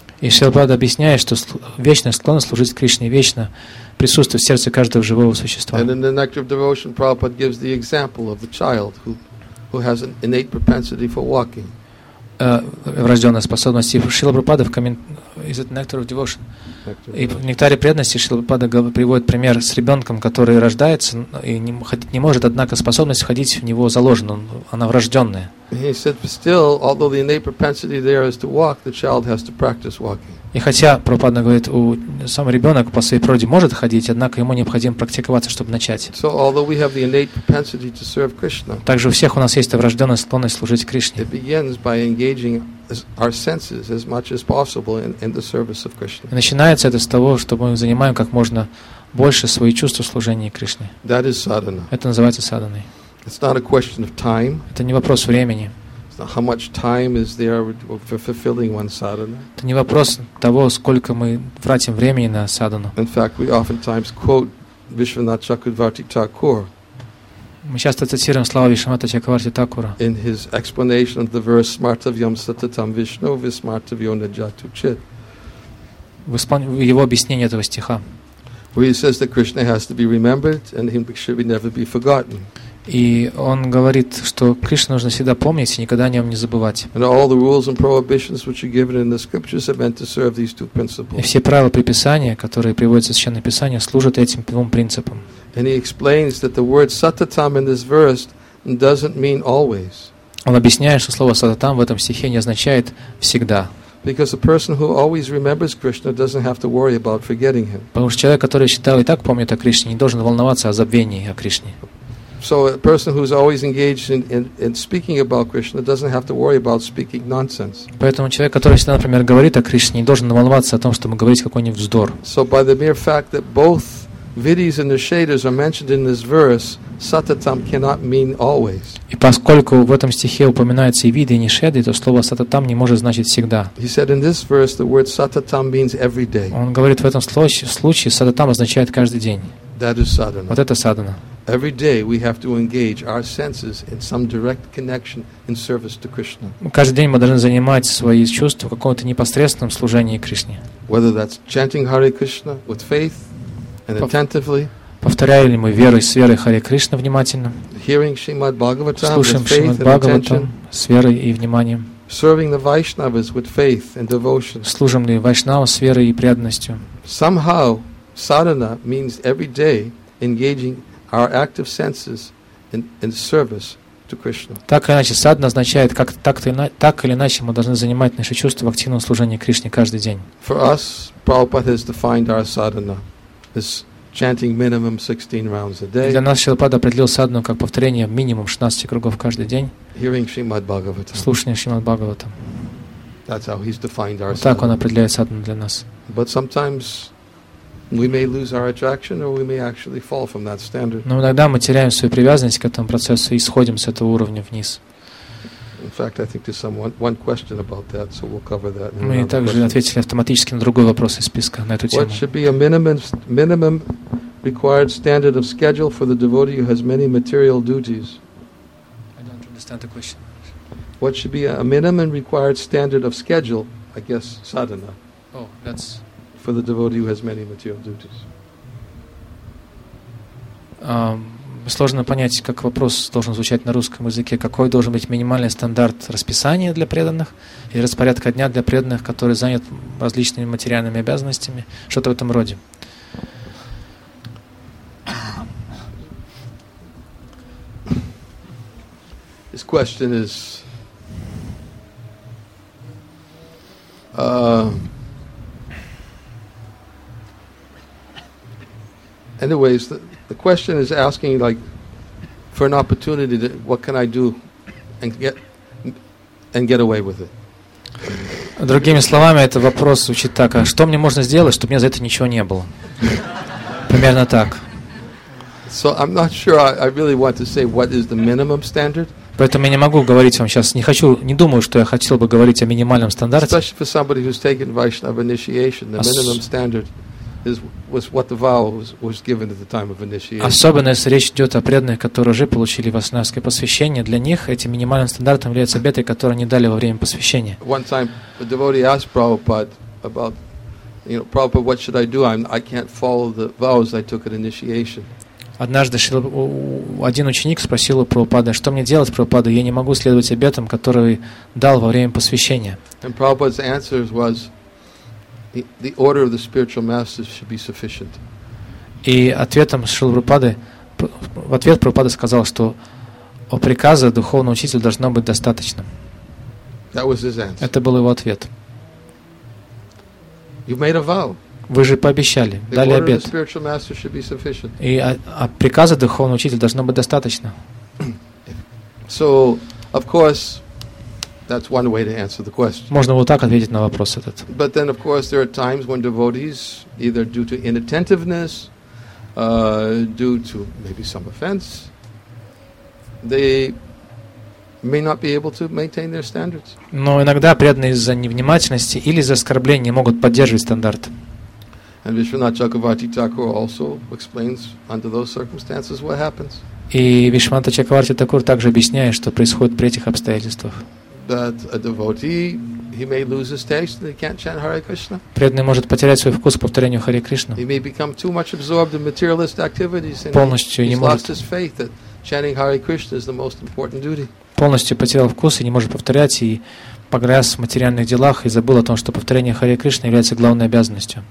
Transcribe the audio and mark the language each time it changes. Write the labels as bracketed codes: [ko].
[ru] И Шрила Прабхупада объясняет, что вечная склонность служить Кришне вечно присутствует в сердце каждого живого существа. [en] And in the Nectar of Devotion, Prabhupada gives the example of the child who has an innate propensity for walking. [ru] Врожденная способность. И Шрила Прабхупада в комментарии из Nectar of Devotion. И в Нектаре преданности Шрила Прабхупада приводит пример с ребенком, который рождается и не может, однако способность входить в него заложена, она врожденная. [en] He said, still, although the innate propensity there is to walk, the child has to practice walking. [ru] И хотя Прабхупада говорит, у сам ребенок по своей природе может ходить, однако ему необходимо практиковаться, чтобы начать. [en] So, although we have the innate propensity to serve Krishna, [ru] также у всех у нас есть врожденная склонность служить Кришне. [en] It begins by engaging our senses as much as possible in the service of Krishna. [ru] И начинается это с того, что мы занимаем как можно больше свои чувства служения Кришне. [en] That is sadhana. [ru] Это называется садханой. [en] It's not a question of time. [ru] Это не вопрос времени. [en] It's not how much time is there for fulfilling one sadhana. [ru] Это не вопрос того, сколько мы тратим времени на садхану. [en] In fact, we oftentimes quote Vishwanath Chakravarti Thakur. [ru] Мы часто цитируем слова Вишванатха Чакраварти Такура. [en] In his explanation of the verse [sa] Smartavyam Satatam Vishnu Vismartavyo Najatu Chit. [ru] Его объяснение этого стиха. [en] Where he says that Krishna has to be remembered and he should never be forgotten. [ru] И он говорит, что Кришну нужно всегда помнить и никогда о нем не забывать. [en] All the rules and prohibitions which are given in the scriptures are meant to serve these two principles. [ru] И все правила приписания, которые приводятся в Священное Писание, служат этим двум принципам. [en] And he explains that the word satatam in this verse doesn't mean always. [ru] Он объясняет, что слово сататам в этом стихе не означает всегда. [en] Because a person who always remembers Krishna doesn't have to worry about forgetting him. [ru] Потому что человек, который считал и так помнит о Кришне, не должен волноваться о забвении о Кришне. [en] So a person who is always engaged in speaking about Krishna doesn't have to worry about speaking nonsense. [ru] Поэтому человек, который всегда, например, говорит о Кришне, не должен волноваться о том, чтобы говорить какой-нибудь вздор. [en] So by the mere fact that both Vidhis and Nishadas are mentioned in this verse, satatam cannot mean always. [ru] И поскольку в этом стихе упоминаются и виды, и нишеды, то слово сататам не может значить всегда. [en] He said in this verse the word satatam means every day. [ru] Он говорит в этом случае сататам означает каждый день. [en] That is sadhana. [ru] Вот это садхана. [en] Every day we have to engage our senses in some direct connection in service to Krishna. [ru] Каждый день мы должны занимать свои чувства в каком-то непосредственном служении Кришне. [en] Whether that's chanting Hare Krishna with faith. And attentively. [ru] Повторяем ли мы верой с верой Харе Кришна внимательно? [en] Hearing Shrimad Bhagavatam with faith and attention. [ru] Слушаем Шримад Бхагаватам с верой и вниманием. [en] Serving the Vaishnavas with faith and devotion. [ru] Служим ли Вайшнавам с верой и преданностью? [en] Somehow, sadhana means every day engaging our active senses in service to Krishna. [ru] Так или иначе, садхана означает, как так или иначе мы должны занимать наши чувства в активном служении Кришне каждый день. [en] For us, Prabhupada has defined our sadhana. Is chanting minimum 16 rounds a day. [ru] Для нас Шилопада определил садхану как повторение минимум 16 кругов каждый день. [en] Hearing Shrimad Bhagavatam. [ru] Слушание Шримад Бхагаватам. [en] That's how he's defined our sadhana. [ru] Так он определяет садхану для нас. [en] But sometimes we may lose our attraction, or we may actually fall from that standard. [ru] Но иногда мы теряем свою привязанность к этому процессу и сходим с этого уровня вниз. [en] In fact, I think there's one question about that, so we'll cover that. [ru] Мы также ответили автоматически на другой вопрос из списка на эту тему. [en] What should be a minimum required standard of schedule for the devotee who has many material duties? I don't understand the question. What should be a minimum required standard of schedule? I guess sadhana. Oh, that's for the devotee who has many material duties. [ru] Сложно понять, как вопрос должен звучать на русском языке. Какой должен быть минимальный стандарт расписания для преданных и распорядка дня для преданных, который занят различными материальными обязанностями? Что-то в этом роде. [en] This question is anyways, the question is asking like for an opportunity to what can I do and get away with it. [ru] Другими словами, это вопрос звучит так: а что мне можно сделать, чтобы мне за это ничего не было? Примерно так. [en] So I'm not sure I really want to say what is the minimum standard. [ru] Поэтому я не могу говорить вам сейчас, не думаю, что я хотел бы говорить о минимальном стандарте. [en] Especially for somebody who's taken Vaishnava initiation, the minimum standard was what the vow was given at the time of initiation. [ru] Особенно если речь идет о преданных, которые уже получили вайшнавское посвящение, для них этим минимальным стандартом является обет, который они дали во время посвящения. [en] One time a devotee asked Prabhupada about, you know, Prabhupada, what should I do? I can't follow the vows I took at initiation. [ru] Однажды один ученик спросил у Прабхупады, что мне делать, Прабхупада, я не могу следовать обетам, которые дал во время посвящения. [en] And Prabhupada's answer was the order of the spiritual masters should be sufficient. [ru] И ответом Шрила Прабхупады, в ответ Прабхупада сказал, что о приказа духовного учителя должно быть достаточно. [en] That was his answer. [ru] Это был его ответ. [en] You made a vow. [ru] Вы же пообещали, [en] the [ru] дали обет. [en] Order of the spiritual masters should be sufficient. [ru] И о приказа духовного учителя должно быть достаточно. [en] So, of course, that's one way to answer the question. [ru] Можно вот так ответить на вопрос этот. [en] But then, of course, there are times when devotees, either due to inattentiveness, due to maybe some offense, they may not be able to maintain their standards. [ru] Но иногда преданные из-за невнимательности или из-за оскорблений не могут поддерживать стандарт. [en] And Vishwanath Chakravarti Thakur also explains under those circumstances what happens. [ru] И Вишванта Чакраварти Такур также объясняет, что происходит при этих обстоятельствах. [en] That a devotee He may lose his taste and he can't chant Hare Krishna. [ru] Преданный может потерять свой вкус повторению Харе Кришна. [en] He may become too much absorbed in materialist activities and [ru] полностью [en] he's lost his faith that chanting Hare Krishna is the most important duty. [ru] Полностью потерял вкус и не может повторять и погряз в материальных делах и забыл о том, что повторение Харе Кришна является главной обязанностью.